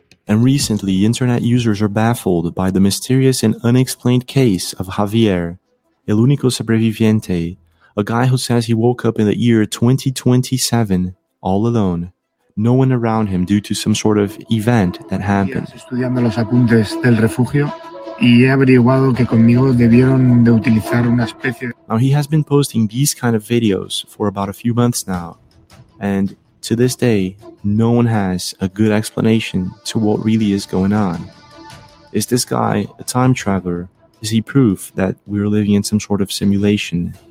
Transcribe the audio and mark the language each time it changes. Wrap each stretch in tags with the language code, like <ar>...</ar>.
<en>And recently, internet users are baffled by the mysterious and unexplained case of Javier, el único sobreviviente, a guy who says he woke up in the year 2027, all alone, no one around him due to some sort of event that happened.</en> <es>Estoy estudiando los apuntes del refugio y he averiguado que conmigo debieron de utilizar una especie.</es> <en>Now, he has been posting these kind of videos for about a few months now, and to this day, no one has a good explanation to what really is going on. Is this guy a time traveler? Is he proof that we're living in some sort of simulation?</en>